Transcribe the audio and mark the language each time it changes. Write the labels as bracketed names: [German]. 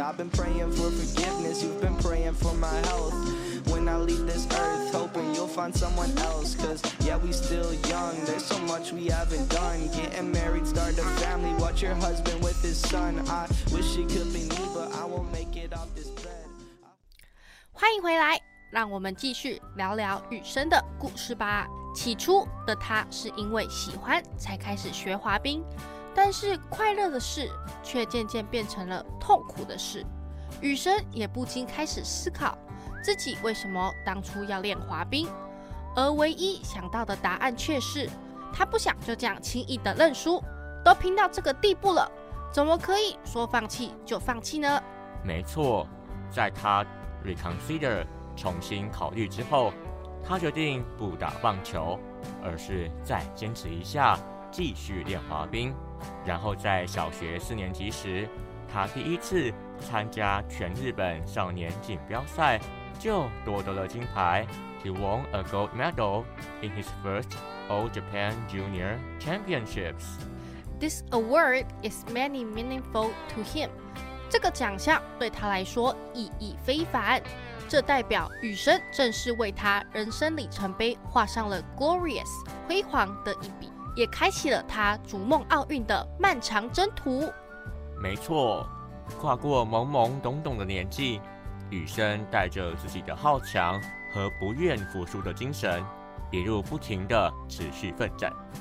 [English] I've been praying for forgiveness, you've been praying for my health. When I leave this earth, hoping you'll find someone else. Cause yeah, we still young, there's so much we haven't done. Getting married, start a family, watch your husband with his son. I wish it could be me, but I won't make it off this. [Chinese] 欢迎回来，让我们继续聊聊羽生的故事吧。起初的他是因为喜欢才开始学滑冰，但是快乐的事却渐渐变成了痛苦的事。羽生也不禁开始思考自己为什么当初要练滑冰，而唯一想到的答案却是他不想就这样轻易的认输，都拼到这个地步了，怎么可以说放弃就放弃呢？没错，在他reconsider 重新考虑之后，他决定不打棒球，而是再坚持一下，继续练滑冰。然后在小学四年级时，他第一次参加全日本少年锦标赛，就夺得了金牌。 [English] He won a gold medal in his first All Japan Junior Championships. This award is many meaningful to him. [Chinese] 这个奖项对他来说意义非凡，这代表羽生正式为他人生里程碑画上了 glorious 辉煌的一笔，也开启了他逐梦奥运的漫长征途。没错，跨过懵懵懂懂的年纪，羽生带着自己的好强和不愿服输的精神，一路不停地持续奋战。